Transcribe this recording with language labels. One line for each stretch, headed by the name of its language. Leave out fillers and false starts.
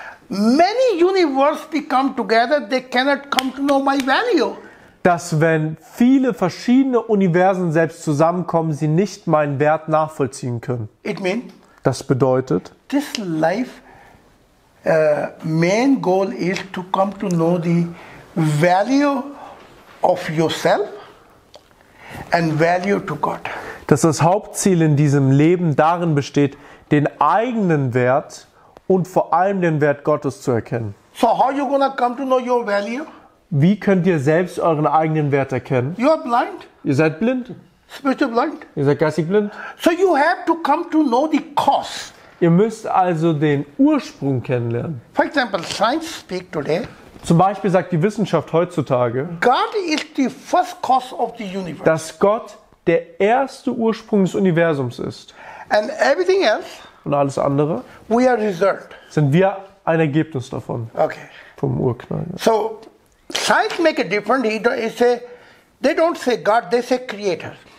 English: Many universes become together, they cannot come to know my value.
German: Dass wenn viele verschiedene Universen selbst zusammenkommen, sie nicht meinen Wert nachvollziehen können.
English: It means.
German: Das bedeutet.
English: This life main goal is to come to know the value of yourself and value to God.
German: Dass das Hauptziel in diesem Leben darin besteht, den eigenen Wert und vor allem den Wert Gottes zu erkennen.
English: So how you gonna come to know your value?
German: Wie könnt ihr selbst euren eigenen Wert erkennen?
English: You are blind.
German: Ihr seid blind.
English: Spiritual blind.
German: Ihr seid geistig blind.
English: So you have to come to know the cause.
German: Ihr müsst also den Ursprung kennenlernen.
English: For example, science speak today.
German: Zum Beispiel sagt die Wissenschaft heutzutage,
English: God is the first cause of the universe.
German: Dass Gott der erste Ursprung des Universums ist.
English: And everything else.
German: Und alles andere.
English: We are result.
German: Sind wir ein Ergebnis davon.
English: Okay.
German: Vom Urknall.
English: So, science make a difference. They don't say God, they say creator.